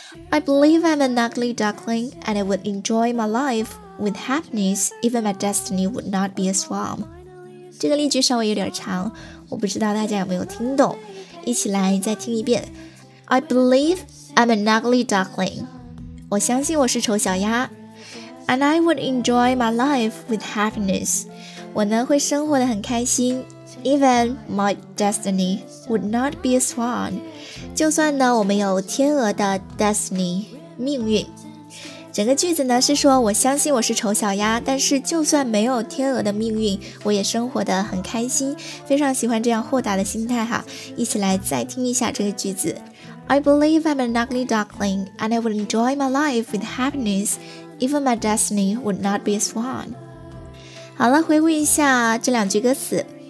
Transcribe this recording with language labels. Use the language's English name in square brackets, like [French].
[English] I believe I'm an ugly duckling, and I would enjoy my life with happiness, even my destiny would not be a swan. [Chinese] 这个例句稍微有点长，我不知道大家有没有听懂，一起来再听一遍。 [English] I believe I'm an ugly duckling. [Chinese] 我相信我是丑小鸭。 [English] And I would enjoy my life with happiness. [Chinese] 我呢会生活得很开心。 [English] Even my destiny would not be a swan. [Chinese] 就算呢我们有天鹅的 destiny 命运。整个句子呢是说，我相信我是丑小鸭，但是就算没有天鹅的命运，我也生活得很开心。非常喜欢这样豁达的心态哈。一起来再听一下这个句子。 [English] I believe I'm an ugly duckling, and I would enjoy my life with happiness, even my destiny would not be a swan. [Chinese] 好了，回顾一下这两句歌词。